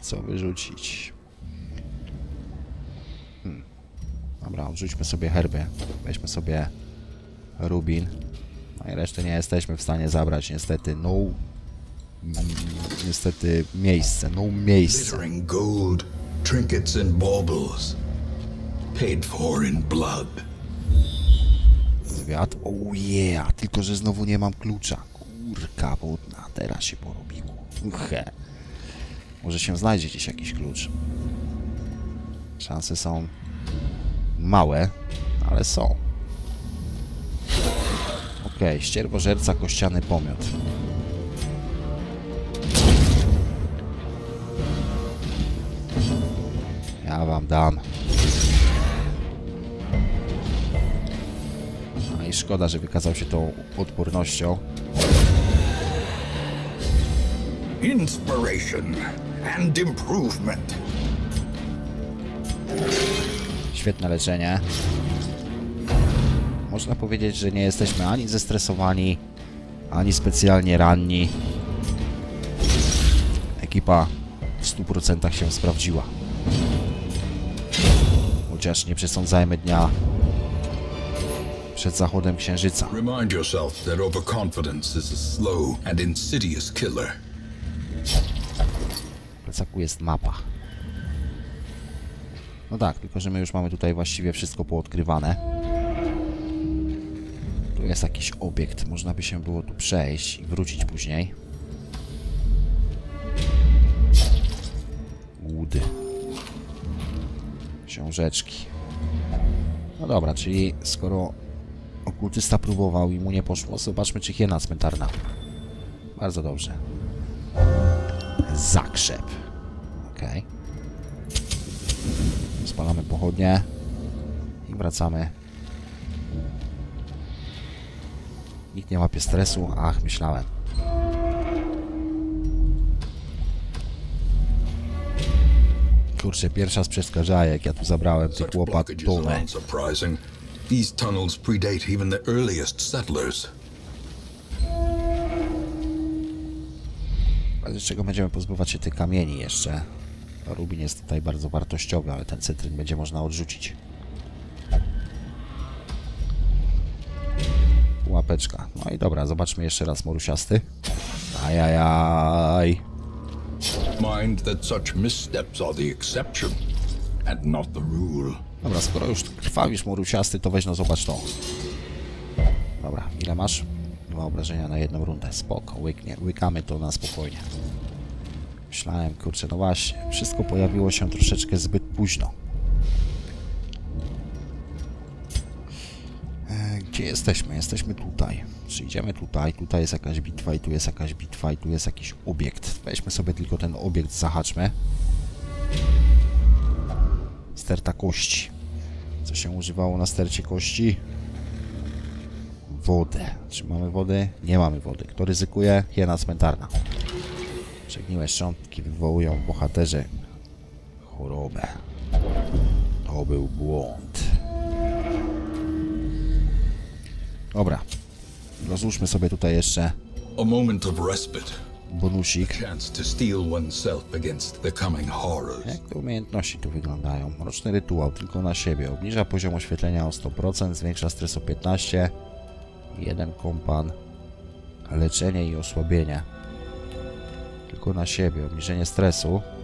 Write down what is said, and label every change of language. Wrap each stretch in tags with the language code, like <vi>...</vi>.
<pl>Co wyrzucić? Dobra, odrzućmy sobie herby, weźmy sobie rubin. No i resztę nie jesteśmy w stanie zabrać, niestety, no... niestety, miejsce, no miejsce.</pl> <en>Glittering gold, trinkets and baubles, paid for in blood.</en> <pl>Zwiat,</pl> <en>oh yeah,</en> <pl>tylko że znowu nie mam klucza. Kurka wodna, teraz się porobiło. Uche. Może się znajdzie gdzieś jakiś klucz. Szanse są... małe, ale są. Okej, ścierwożerca, kościany pomiot. Ja wam dam. No i szkoda, że wykazał się tą odpornością.</pl> <en>Inspiration and improvement.</en> <pl>Świetne leczenie. Można powiedzieć, że nie jesteśmy ani zestresowani, ani specjalnie ranni. Ekipa w 100% się sprawdziła. Chociaż nie przesądzajmy dnia przed zachodem księżyca.</pl> <en>Remind yourself that overconfidence is a slow and insidious killer.</en> <pl>W plecaku jest mapa. No tak, tylko że my już mamy tutaj właściwie wszystko poodkrywane. Tu jest jakiś obiekt, można by się było tu przejść i wrócić później. Łódy. Książeczki. No dobra, czyli skoro okultysta próbował i mu nie poszło, zobaczmy czy hiena cmentarna. Bardzo dobrze. Zakrzep. Okej. Okay. Spalamy pochodnie i wracamy. Nikt nie łapie stresu, ach, myślałem. Kurczę, pierwsza z przeszkadzaje, jak ja tu zabrałem tych łopat, dumę.</pl> <en>These tunnels predate even the earliest settlers.</en> <pl>Z czego będziemy pozbywać się tych kamieni jeszcze? Rubin jest tutaj bardzo wartościowy, ale ten cytryn będzie można odrzucić. Łapeczka. No i dobra, zobaczmy jeszcze raz, morusiasty. Ajajaj.</pl> <en>Mind that such missteps are the exception and not the rule.</en> <pl>Dobra, skoro już krwawisz, morusiasty, to weź no zobacz to. Dobra, ile masz? Dwa obrażenia na jedną rundę. Spoko, łykamy to na spokojnie. Myślałem, kurczę, no właśnie, wszystko pojawiło się troszeczkę zbyt późno. Gdzie jesteśmy? Jesteśmy tutaj. Przyjdziemy tutaj, tutaj jest jakaś bitwa i tu jest jakaś bitwa i tu jest jakiś obiekt. Weźmy sobie tylko ten obiekt, zahaczmy. Sterta kości. Co się używało na stercie kości? Wodę. Czy mamy wody? Nie mamy wody. Kto ryzykuje? Hiena cmentarna. Przegniłe szczątki wywołują w bohaterze chorobę. To był błąd. Dobra. Rozłóżmy sobie tutaj jeszcze</pl> <en>a moment of respite.</en> <pl>Bonusik.</pl> <en>A chance to steel oneself against the coming horrors.</en> <pl>Jak te umiejętności tu wyglądają? Mroczny rytuał tylko na siebie. Obniża poziom oświetlenia o 100%, zwiększa stres o 15%. Jeden kompan. Leczenie i osłabienie. Tylko na siebie. Obniżenie stresu.</pl>